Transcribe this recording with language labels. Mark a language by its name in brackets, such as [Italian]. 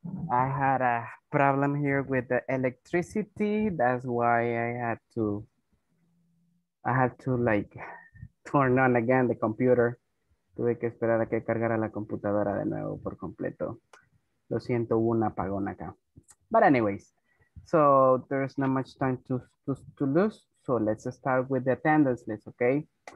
[English] I had a problem here with the electricity. That's why I had to like turn on again the computer. [Spanish] Tuve que esperar a que cargara la computadora de nuevo por completo. Lo siento, hubo un apagón acá. [English] But anyways, so there's not much time to lose. So let's start with the attendance list, okay?